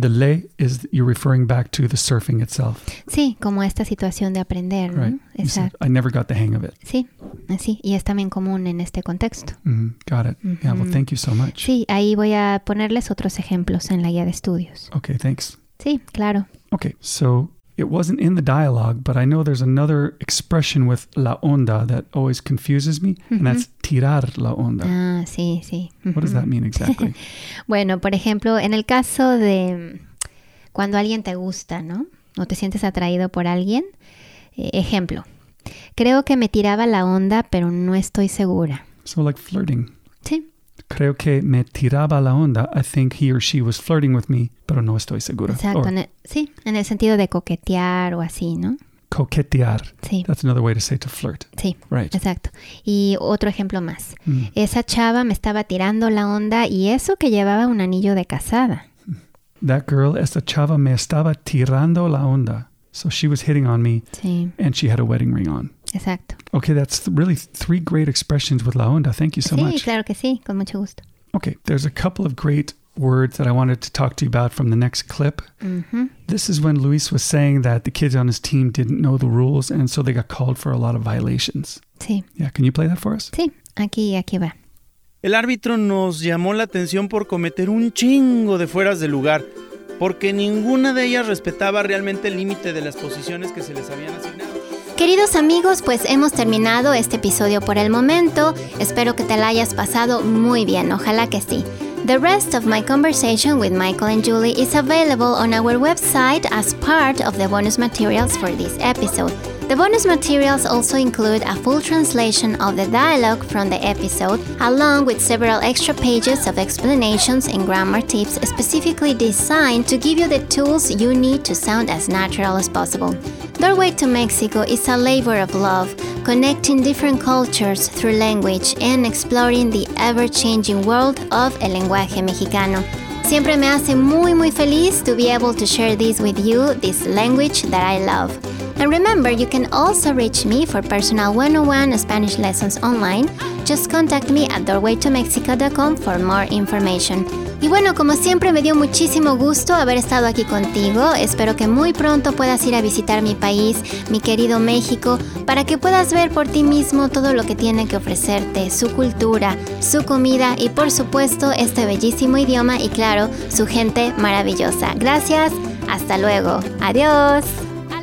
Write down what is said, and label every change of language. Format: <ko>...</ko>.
<en>The le is you're referring back to the surfing itself.</en> <es>Sí, como esta situación de aprender,</es> <en>right.</en> <es>¿no? Exacto.</es> <en>Said, I never got the hang of it.</en> <es>Sí, así. Y es también común en este contexto.</es> <en>Mm-hmm. Got it. Mm-hmm. Yeah, well, thank you so much.</en> <es>Sí, ahí voy a ponerles otros ejemplos en la guía de estudios.</es> <en>Okay, thanks.</en> <es>Sí, claro.</es> <en>Okay, so it wasn't in the dialogue, but I know there's another expression with la onda that always confuses me, mm-hmm. and that's tirar la onda.</en> <es>Ah, sí, sí.</es> <en>Mm-hmm. What does that mean exactly?</en> <es>Bueno, por ejemplo, en el caso de cuando alguien te gusta, ¿no? O te sientes atraído por alguien. Ejemplo, creo que me tiraba la onda, pero no estoy segura.</es> <en>So like flirting.</en> <es>Sí. Creo que me tiraba la onda.</es> <en>I think he or she was flirting with me,</en> <es>pero no estoy seguro. Exacto.</es> <en>Or,</en> <es>sí, en el sentido de coquetear o así, ¿no? Coquetear. Sí.</es> <en>That's another way to say to flirt.</en> <es>Sí.</es> <en>Right.</en> <es>Exacto. Y otro ejemplo más. Mm. Esa chava me estaba tirando la onda y eso que llevaba un anillo de casada.</es> <en>That girl,</en> <es>esa chava me estaba tirando la onda.</es> <en>So she was hitting on me.</en> <es>Sí.</es> <en>And she had a wedding ring on.</en> <es>Exacto.</es> <en>Okay, that's really three great expressions with la onda. Thank you so</en> <es>sí,</es> <en>much.</en> <es>Sí, claro que sí, con mucho gusto.</es> <en>Okay, there's a couple of great words that I wanted to talk to you about from the next clip. Mm-hmm. This is when Luis was saying that the kids on his team didn't know the rules, and so they got called for a lot of violations.</en> <es>Sí.</es> <en>Yeah, can you play that for us?</en> <es>Sí, aquí va. El árbitro nos llamó la atención por cometer un chingo de fueras de lugar, porque ninguna de ellas respetaba realmente el límite de las posiciones que se les habían asignado. Queridos amigos, pues hemos terminado este episodio por el momento. Espero que te la hayas pasado muy bien, ojalá que sí.</es> <en>The rest of my conversation with Michael and Julie is available on our website as part of the bonus materials for this episode. The bonus materials also include a full translation of the dialogue from the episode, along with several extra pages of explanations and grammar tips specifically designed to give you the tools you need to sound as natural as possible. Doorway to Mexico is a labor of love, connecting different cultures through language and exploring the ever-changing world of</en> <es>el lenguaje mexicano. Siempre me hace muy, muy feliz</es> <en>to be able to share this with you, this language that I love. And remember, you can also reach me for personal 101 Spanish lessons online. Just contact me at doorwaytomexico.com for more information.</en> <es>Y bueno, como siempre, me dio muchísimo gusto haber estado aquí contigo. Espero que muy pronto puedas ir a visitar mi país, mi querido México, para que puedas ver por ti mismo todo lo que tiene que ofrecerte, su cultura, su comida y, por supuesto, este bellísimo idioma y, claro, su gente maravillosa. Gracias, hasta luego. Adiós.</es>